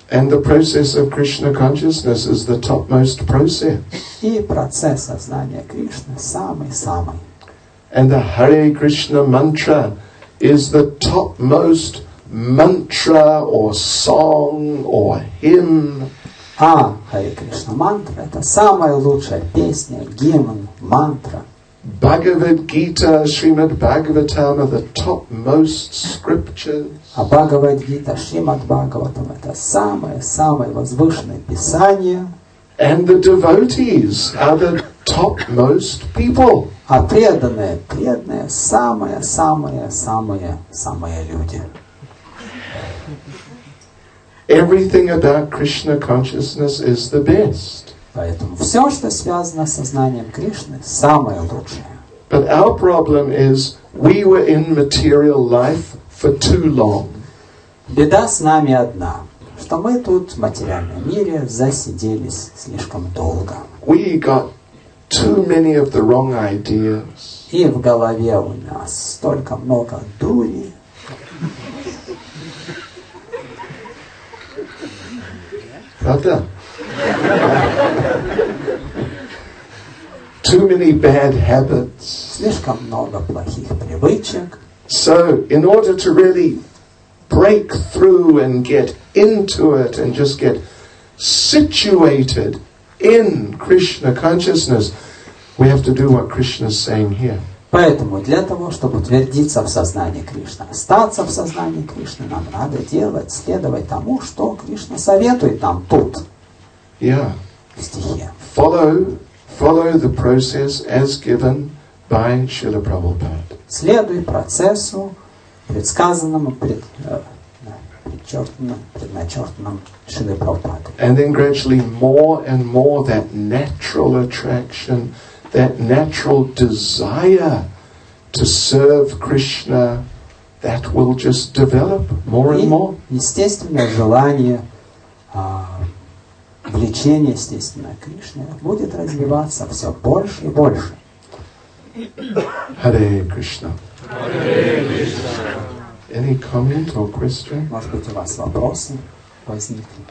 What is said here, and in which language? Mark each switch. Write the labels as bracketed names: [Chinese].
[English] And the process of Krishna consciousness is the topmost process. [Russian] И процесс сознания Кришны самый. [English] And the Hare Krishna mantra is the topmost mantra or song or hymn. [Russian] А, Hare Krishna mantra — это самая лучшая песня, гимн, мантра. [English] Bhagavad Gita, Srimad Bhagavatam are the topmost scriptures. [Russian] А Bhagavad Gita, Srimad Bhagavatam — это самое возвышенное писание. [English] And the devotees are the topmost people. [Russian] А преданные самые люди. [English] Everything about Krishna consciousness is the best. [Russian] Поэтому все, что связано с сознанием Кришны, самое лучшее. [English] But our problem is we were in material life for too long. [Russian] Беда с нами одна, что мы тут в материальном мире засиделись слишком долго. [English] We got too many of the wrong ideas. [Russian] И в голове у нас столько много дури. Правда? [English] Too many bad habits. [Russian] Слишком много плохих привычек. [English] So, in order to really break through and get into it and just get situated in Krishna consciousness, we have to do what Krishna is saying here. [Russian] Поэтому для того, чтобы утвердиться в сознании Кришны, остаться в сознании Кришны, нам надо делать, следовать тому, что Кришна советует нам тут. [English] Yeah. [Russian] В стихе. [English] Follow the process as given by Srila Prabhupada. [Russian] Следуй процессу, предсказанному, предначертанным Шрилой Прабхупадой. [English] And then gradually more and more that natural attraction, that natural desire to serve Krishna, that will just develop more and more. [Russian] Естественное желание, влечение, естественное Кришне, будет развиваться все больше и больше. [English] Hare Krishna. Hare Krishna. Any comment or question? [Russian] Может быть, у вас вопросы возникли?